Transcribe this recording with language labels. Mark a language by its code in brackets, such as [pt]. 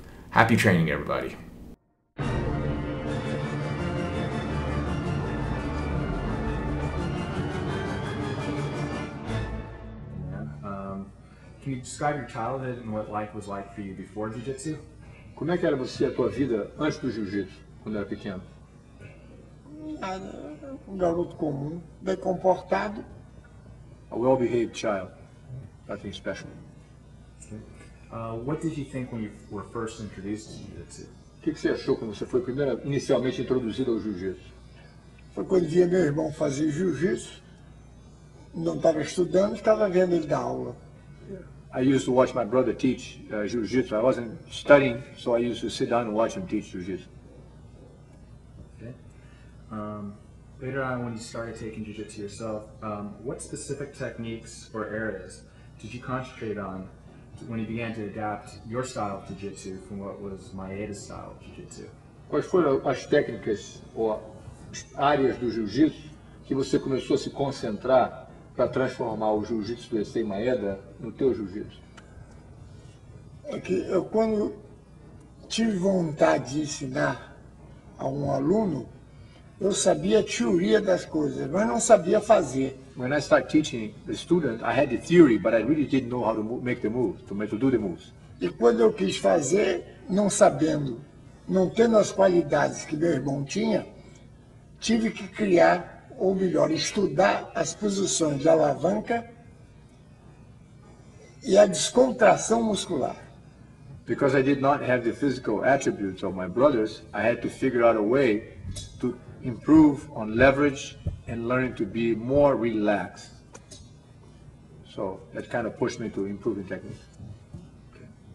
[en] Happy training, everybody. Can you describe your childhood and what life was like for you before jiu-jitsu? [pt] Como é que era você a tua vida antes do jiu-jitsu, quando era pequeno? Nada, um garoto comum, bem comportado. [en] A well-behaved child, nothing special. What did you think when you were first introduced to jiu-jitsu? [pt] O que você achou quando você foi primeira, inicialmente introduzido ao jiu-jitsu? Foi quando via meu irmão fazer jiu-jitsu, não estava estudando, estava vendo ele dar aula. [en] I used to watch my brother teach jiu-jitsu. I wasn't studying, so I used to sit down and watch him teach jiu-jitsu. Okay. Later on, when you started taking jiu-jitsu yourself, what specific techniques or areas did you concentrate on when you began to adapt your style of jiu-jitsu from what was Maeda's style of jiu-jitsu? [pt] Quais foram as técnicas ou áreas do jiu-jitsu que você começou a se concentrar para transformar o jiu-jitsu do Issei Maeda no teu jiu-jitsu? É que eu, quando tive vontade de ensinar a um aluno, eu sabia a teoria das coisas, mas não sabia fazer. [en] When I started teaching the student, I had the theory, but I really didn't know how to make the moves, to do the moves. [pt] E quando eu quis fazer, não sabendo, não tendo as qualidades que meu irmão tinha, tive que criar, ou melhor, estudar as posições de alavanca e a descontração muscular. [en] Because I did not have the physical attributes of my brothers, I had to figure out a way to improve on leverage and learning to be more relaxed. So that kind of pushed me to improving technique. Okay.